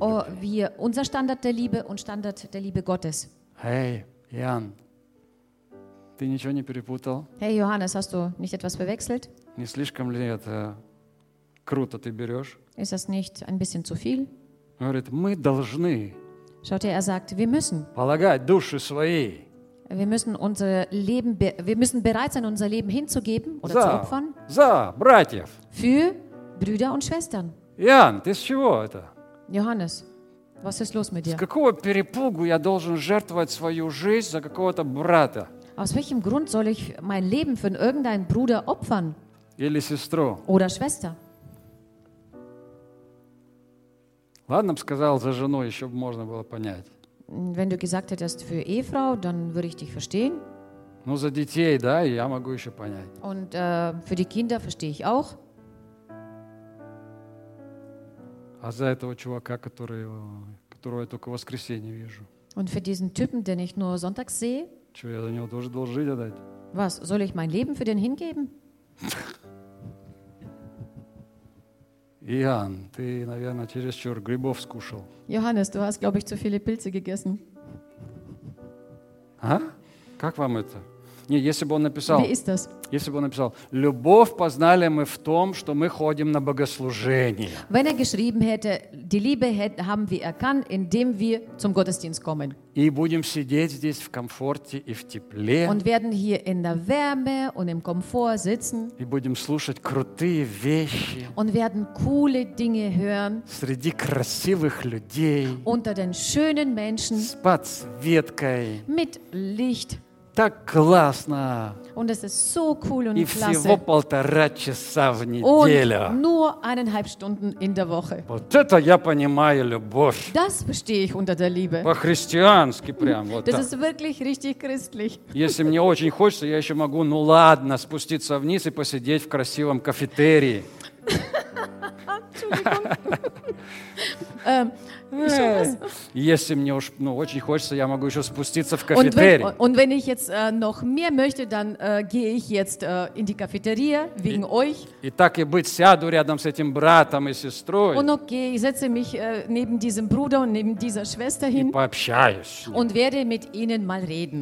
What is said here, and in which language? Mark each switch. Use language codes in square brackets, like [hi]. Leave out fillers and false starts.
[de] Oh, wie unser Standard der Liebe und Standard der Liebe Gottes. [ru] Hey, Jan, ты ничего не перепутал? [de] Hey, Johannes, hast du nicht etwas verwechselt? [ru] Не слишком ли это круто ты берешь? [de] Ist das nicht ein bisschen zu viel? [ru] Говорит, мы должны. [de] Schaut her, er sagt, wir müssen. [ru] Полагать души свои. [de] Wir müssen bereit sein, unser Leben hinzugeben oder [ru] за, [de] zu opfern. [ru] За братьев. [de] Für Brüder und Schwestern. [ru] Jan, ты с чего это? [de] Johannes, was ist los mit dir? [ru] С какого перепугу я должен жертвовать свою жизнь за какого-то брата? [de] Aus welchem Grund soll ich mein Leben für irgendeinen Bruder opfern? [ru] Или сестру? [de] Oder Schwester? [ru] Ладно, сказал за жену, еще бы можно было понять. [de] Wenn du gesagt hättest für Ehefrau, dann würde ich dich verstehen. [ru] Ну за детей, да, я могу еще понять. [de] Und für die Kinder verstehe ich auch. [ru] А за этого чувака, которого я только в воскресенье вижу. [de] Und für diesen Typen, den ich nur sonntags sehe. [ru] Что, я за него тоже должен жить отдать? [de] Was, soll ich mein Leben für den hingeben? [ru] Иоанн, ты, наверное, чересчур грибов скушал. [de] Johannes, du hast, glaube ich, zu viele Pilze gegessen. [ru] А? Как вам это? Не, если бы он написал... [de] Wie ist das? [ru] Если бы он написал, любовь познали мы в том, что мы ходим на богослужение. [de] Wenn er geschrieben hätte, die Liebe haben wir erkannt, indem wir zum Gottesdienst kommen. [ru] И будем сидеть здесь в комфорте и в тепле. [de] Und werden hier in der Wärme und im Komfort sitzen. [ru] И будем слушать крутые вещи. [de] Und werden coole Dinge hören. [ru] Среди красивых людей. [de] Unter den schönen Menschen. [ru] С подсветкой. [de] Mit Licht. [ru] Так классно. [de] Und es ist so cool und [ru] и [de] klasse. [ru] Всего полтора часа в неделю. [de] Und nur eineinhalb Stunden in der Woche. [ru] Вот это я понимаю любовь. [de] Das verstehe ich unter der Liebe. [ru] По-христиански прям. Вот [de] das [ru] так. [de] Ist wirklich richtig christlich. [ru] Если мне очень хочется, я еще могу, ну ладно, спуститься вниз и посидеть в красивом кафетерии. Если мне уж очень хочется, я могу еще спуститься в кафетерий. [de] Und wenn ich jetzt noch mehr möchte, dann gehe ich jetzt in die Cafeteria wegen euch. [ru] И так и быть, сяду рядом с этим братом и сестрой. [de] Und okay, ich setze mich neben diesem Bruder und neben dieser Schwester hin. [ru] И пообщаюсь. [de] Und werde mit ihnen mal reden.